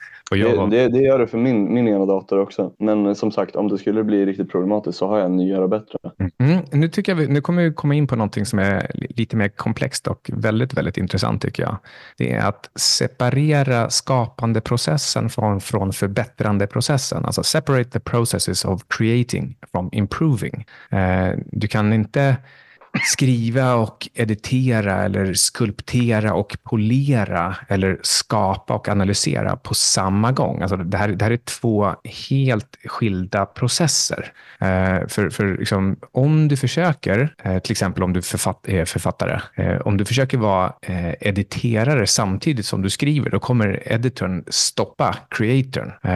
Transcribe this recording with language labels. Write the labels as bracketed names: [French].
[Swedish] Det gör det för min ena dator också. Men som sagt, om det skulle bli riktigt problematiskt så har jag en nyare och bättre. Nu kommer vi komma in på någonting som är lite mer komplext och väldigt, väldigt intressant tycker jag. Det är att separera skapande processen från förbättrande processen. Alltså [English] separate the processes of creating from improving. [Swedish] Du kan inte skriva och editera eller skulptera och polera eller skapa och analysera på samma gång. Alltså det här är två helt skilda processer. För liksom, om du försöker, till exempel om du är författare, om du försöker vara editerare samtidigt som du skriver, då kommer editorn stoppa creatorn.